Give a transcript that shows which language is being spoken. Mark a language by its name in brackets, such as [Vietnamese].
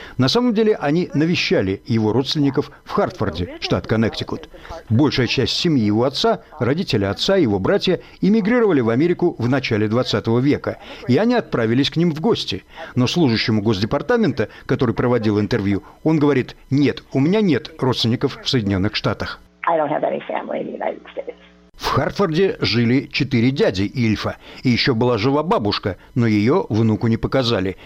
[Russian] На самом деле, они навещали его родственников в Хартфорде, штат Коннектикут. Большая часть семьи его отца, родители отца и его братья, эмигрировали в Америку в начале 20 века, и они отправились к ним в гости. Но служащему Госдепартамента, который проводил интервью, он говорит «нет, у меня нет родственников в Соединенных Штатах». [English] I don't have any family in the United States. [Russian] В Хартфорде жили четыре дяди Ильфа. И еще была жива бабушка, но ее внуку не показали.